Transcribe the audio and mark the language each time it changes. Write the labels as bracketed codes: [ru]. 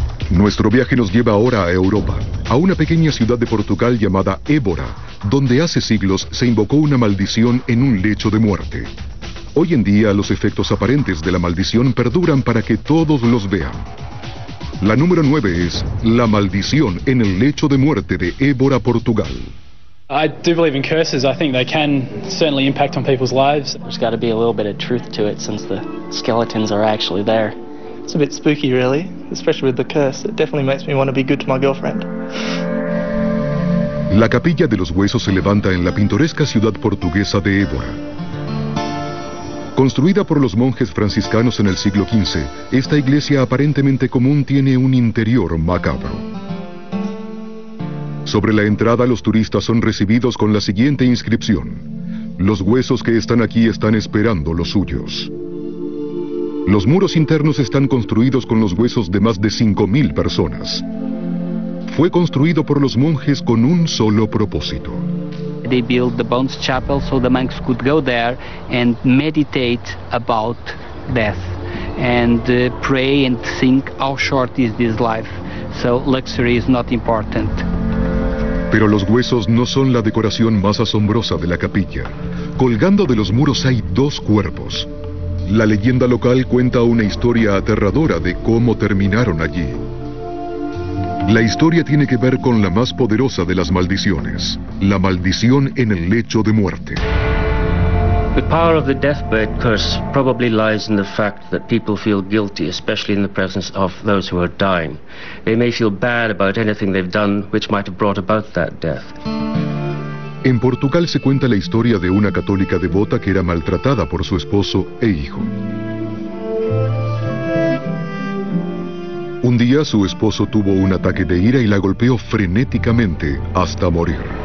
[es] Nuestro viaje nos lleva ahora a Europa, a una pequeña ciudad de Portugal llamada Évora, donde hace siglos se invocó una maldición en un lecho de muerte. Hoy en día, los efectos aparentes de la maldición perduran para que todos los vean. La número 9 es la maldición en el lecho de muerte de Évora, Portugal. [en] I do believe in curses. I think they can certainly impact on people's lives. There's got to be a little bit of truth to it since the skeletons are actually there. It's a bit spooky, really, especially with the curse. It definitely makes me want to be good to my girlfriend. [es] La capilla de los huesos se levanta en la pintoresca ciudad portuguesa de Évora. Construida por los monjes franciscanos en el siglo XV, esta iglesia aparentemente común tiene un interior macabro. Sobre la entrada, los turistas son recibidos con la siguiente inscripción: "Los huesos que están aquí están esperando los suyos". Los muros internos están construidos con los huesos de más de 5.000 personas. Fue construido por los monjes con un solo propósito. [en] They built the bones chapel so the monks could go there and meditate about death and pray and think how short is this life. So luxury is not important. [es] Pero los huesos no son la decoración más asombrosa de la capilla. Colgando de los muros hay dos cuerpos. La leyenda local cuenta una historia aterradora de cómo terminaron allí. La historia tiene que ver con la más poderosa de las maldiciones, la maldición en el lecho de muerte. [en] The power of the deathbed curse probably lies in the fact that people feel guilty, especially in the presence of those who are dying. They may feel bad about anything they've done which might have brought about that death. [es] En Portugal se cuenta la historia de una católica devota que era maltratada por su esposo e hijo. Un día su esposo tuvo un ataque de ira y la golpeó frenéticamente hasta morir.